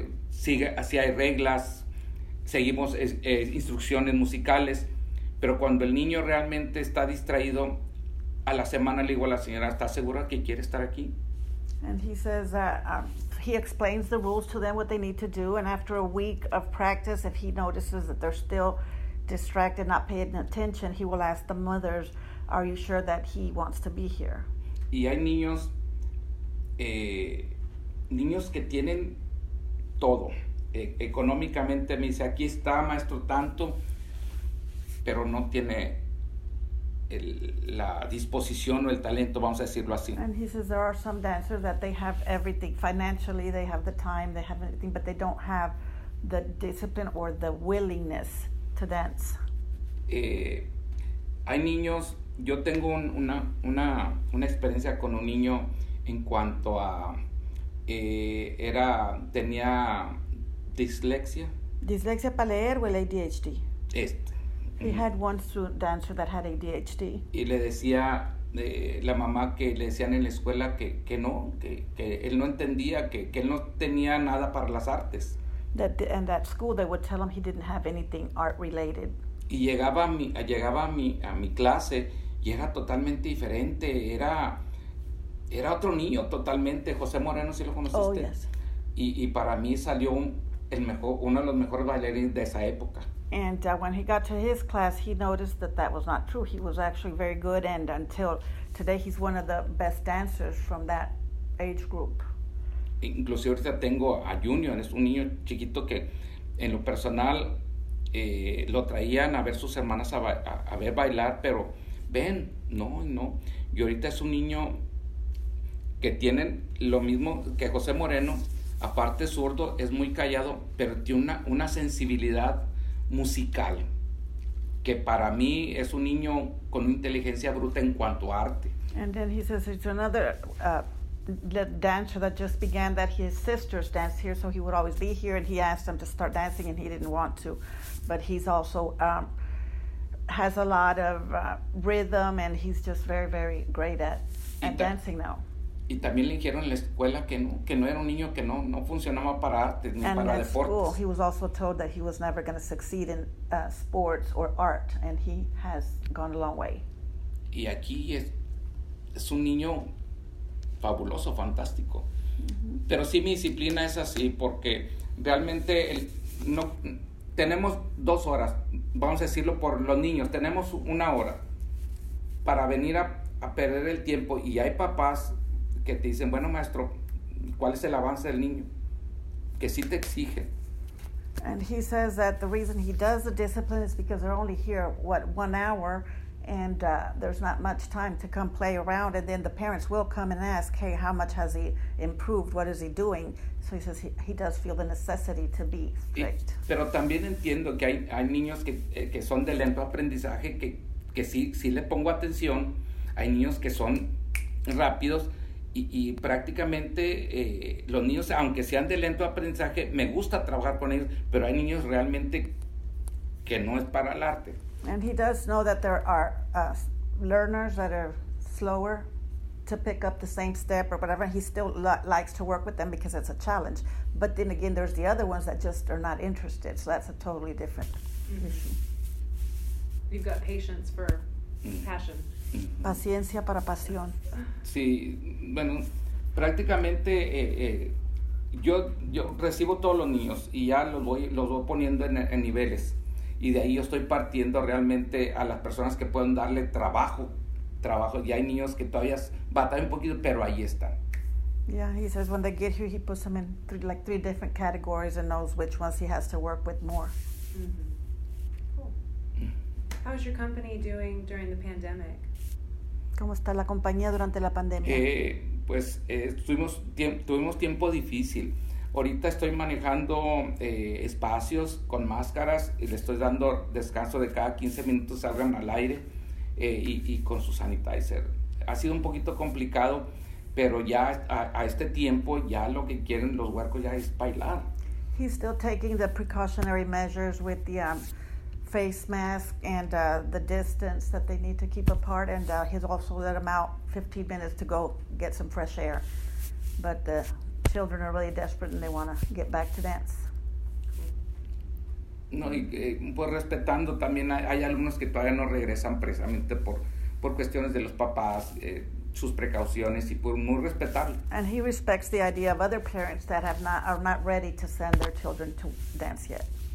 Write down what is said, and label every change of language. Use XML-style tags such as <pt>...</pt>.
<es>Si hay reglas, seguimos instrucciones musicales, pero cuando el niño realmente está distraído, a la semana le digo a la señora, ¿está segura que quiere estar aquí?</es> <en>And he says that he explains the rules to them, what they need to do, and after a week of practice, if he notices that they're still distracted, not paying attention, he will ask the mothers, are you sure that he wants to be here?</en> <es>Y hay niños que tienen todo, económicamente me dice, aquí está maestro tanto, pero no tiene la disposición o el talento, vamos a decirlo así.</es> <en>And he says there are some dancers that they have everything financially, they have the time, they have everything, but they don't have the discipline or the willingness to dance.</en> <es>Hay niños, yo tengo una experiencia con un niño en cuanto a tenía dislexia. Dislexia para leer o el ADHD. Este.</es> <en>He had one student dancer that had ADHD.</en> <es>Y le decía la mamá que le decían en la escuela que no, que él no entendía, que él no tenía nada para las artes.</es> <en>That the, and at school they would tell him he didn't have anything art related.</en> <es>Y llegaba a mi clase y era totalmente diferente, era otro niño totalmente. José Moreno, ¿sí lo conociste?</es> <en>Oh, yes.</en> <es>Y para mí salió uno de los mejores bailarines de esa época.</es> <en>And when he got to his class, he noticed that that was not true. He was actually very good, and until today, he's one of the best dancers from that age group.</en> <es>Inclusive, ahorita tengo a Junior. Es un niño chiquito que, en lo personal, lo traían a ver sus hermanas a ver bailar, pero ven, no. Y ahorita es un niño que tiene lo mismo que José Moreno. Aparte, zurdo, es muy callado, pero tiene una sensibilidad musical, que para mí es un niño con inteligencia bruta en cuanto a arte.</es> <en>And then he says it's another dancer that just began, that his sisters dance here, so he would always be here, and he asked them to start dancing and he didn't want to, but he's also has a lot of rhythm, and he's just very, very great at dancing now.</en> <es>Y también le dijeron en la escuela que no era un niño que no funcionaba para artes ni</es> <en>and</en> <es>para deportes.</es> <en>School, he was also told that he was never going to succeed in sports or art, and he has gone a long way.</en> <es>Y aquí es un niño fabuloso, fantástico. Mm-hmm. Pero sí, mi disciplina es así, porque realmente no tenemos 2 horas, vamos a decirlo por los niños, tenemos 1 hora para venir a perder el tiempo, y hay papás que te dicen, bueno, maestro, ¿cuál es el avance del niño? Que sí te exige.</es> <en>And he says that the reason he does the discipline is because they're only here, 1 hour, and there's not much time to come play around, and then the parents will come and ask, hey, how much has he improved? What is he doing? So he says he does feel the necessity to be strict.</en> <es>Pero también entiendo que hay niños que son de lento aprendizaje, que sí le pongo atención. Hay niños que son rápidos, y prácticamente los niños, aunque sean de lento aprendizaje, me gusta trabajar con ellos, pero hay niños realmente que no es para el arte.</es> <en>And he does know that there are learners that are slower to pick up the same step or whatever. He still likes to work with them because it's a challenge, but then again there's the other ones that just are not interested, so that's a totally different issue. You've got patience for passion.</en> <es>Paciencia para pasión. Sí, bueno, prácticamente yo recibo todos los niños y ya los voy poniendo en niveles, y de ahí yo estoy partiendo realmente a las personas que pueden darle trabajo. Y hay niños que todavía batallan un poquito, pero ahí están.</es> <en>Yeah, he says when they get here, he puts them in three different categories and knows which ones he has to work with more. Mm-hmm. Cool. How is your company doing during the pandemic?</en> <es>¿Cómo está la compañía durante la pandemia? Tuvimos tiempo difícil. Ahorita estoy manejando espacios con máscaras, y le estoy dando descanso de cada 15 minutos salgan al aire y con su sanitizer. Ha sido un poquito complicado, pero ya a este tiempo ya lo que quieren los huercos ya es bailar.</es> <en>He's still taking the precautionary measures with the face mask and the distance that they need to keep apart, and he's also let them out 15 minutes to go get some fresh air. But the children are really desperate and they want to get back to dance.</en> <es>No, y pues respetando también hay algunos que todavía no regresan precisamente por cuestiones de los papás, sus precauciones, y por muy respetable.</es> <en>And he respects the idea of other parents that are not ready to send their children to dance yet.</en>